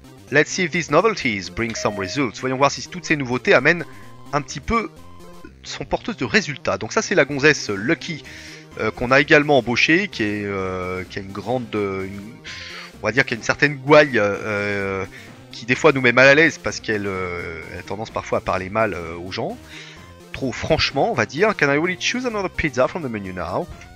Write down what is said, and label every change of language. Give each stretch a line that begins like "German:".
English: Let's see if these novelties bring some results.
French: Voyons voir si toutes ces nouveautés amènent un petit peu sont porteuses de résultats. Donc ça, c'est la gonzesse Lucky qu'on a également embauchée, qui a une grande, on va dire qu'il y a une certaine gouaille qui des fois nous met mal à l'aise parce qu'elle a tendance parfois à parler mal aux gens. Trop franchement, on va dire.
English: Can I really choose another pizza from the menu now?